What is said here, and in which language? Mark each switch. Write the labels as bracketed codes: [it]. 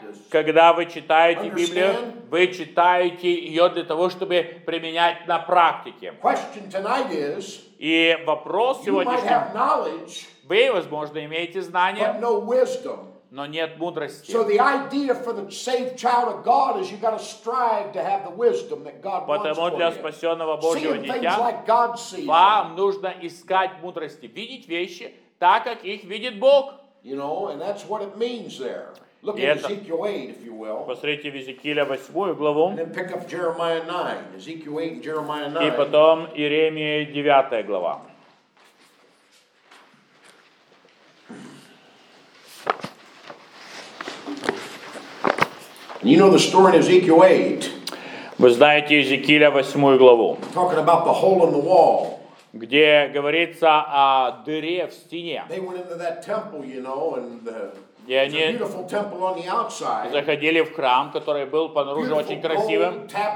[ru] Когда вы читаете Библию, вы читаете ее для того, чтобы применять на практике. [en] Question tonight is, [ru] и вопрос сегодняшний, вы, возможно, имеете знания, [en] but no wisdom. [ru] но нет мудрости. [en] So the idea for the saved child of God is you've got to strive to have the wisdom that God wants for you. [ru] Потому для спасенного Божьего дитя like вам нужно искать мудрости, видеть вещи так, как их видит Бог. [en] You know, and that's what it means there. Look at Ezekiel 8, if you will. [ru] Посмотрите в Иезекииле 8 главу. [en] And then pick up Jeremiah 9, Ezekiel 8 and Jeremiah 9. [ru] И потом Иеремия 9 глава. [en] You know the story in Ezekiel 8. [ru] Вы знаете Иезекииля 8 главу. [en] Talking about the hole in the wall. [ru] Где говорится о дыре в стене. [en] They went into that temple, you know, and the... [ru] И они заходили в храм, который был понаружи очень красивым.